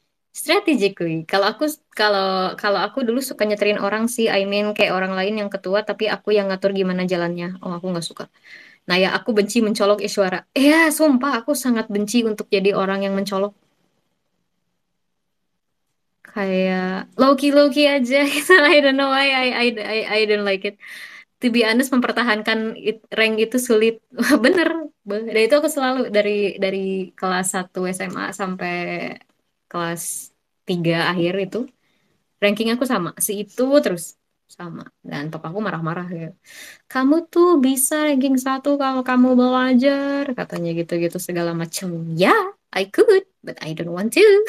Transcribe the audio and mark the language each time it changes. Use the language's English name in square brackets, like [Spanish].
[Indonesian] Strategically, kalau aku dulu suka nyetirin orang sih, [English] I mean [Indonesian] kayak orang lain yang ketua, tapi aku yang ngatur gimana jalannya. Oh, aku nggak suka. Nah ya, aku benci mencolok isyara. Iya, sumpah, aku sangat benci untuk jadi orang yang mencolok. [English] Kayak low key aja. I don't know why I don't like it. to be honest, [Indonesian] mempertahankan rank itu sulit. Bener. Dan itu aku selalu dari kelas 1 SMA sampai kelas 3 akhir itu, ranking aku sama. Si itu terus sama. Dan papa aku marah-marah gitu. Kamu tuh bisa ranking 1 kalau kamu belajar. Katanya gitu-gitu segala macam. [English] Ya, yeah, I could, but I don't want to.